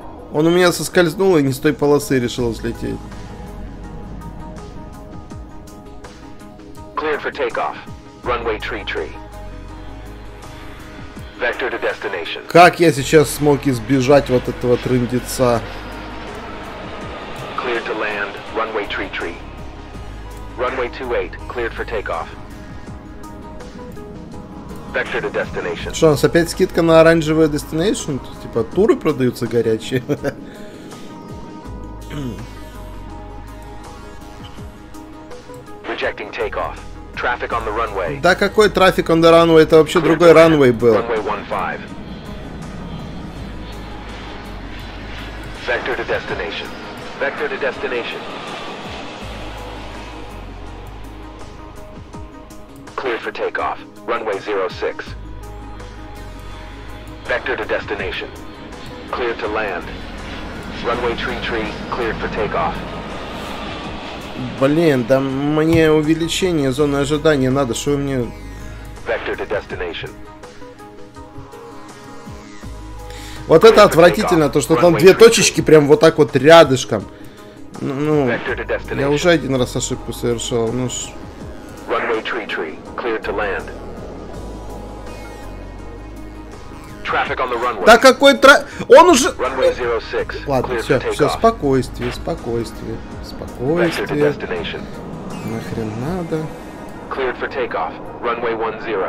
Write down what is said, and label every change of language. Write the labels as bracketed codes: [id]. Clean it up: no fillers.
[ru] Он у меня соскользнул и не с той полосы решил взлететь. [en] Cleared for takeoff. Runway 33. Vector to destination. [ru] Как я сейчас смог избежать вот этого трындеца? [en] Clear to land. Runway 33. Runway 28, cleared for takeoff. Vector to destination. [ru] Что, у нас опять скидка на оранжевую destination? Тут, типа, туры продаются горячие. [en] Rejecting takeoff. Traffic on the runway. [ru] Да какой [en] traffic on the runway? [ru] Это вообще [en] cleared [ru] другой [en] runway [ru] был. [en] Runway 15. Vector to destination. Vector to destination. Cleared for takeoff. Runway 06. Vector to destination. Cleared to land. Runway 33, cleared for takeoff. [ru] Блин, да мне увеличение зоны ожидания надо, что мне... [en] Vector to destination. [ru] Вот это отвратительно, то, что там две точечки прям вот так вот рядышком. Ну, я уже один раз ошибку совершил, ну ж... [en] Runway tree, clear to land. Traffic on the runway. [ru] Да какой тра... Он уже... [en] Runway 06, [ru] ладно, все, все, спокойствие, спокойствие, спокойствие. Нахрен надо. [en] Cleared for takeoff, runway 10.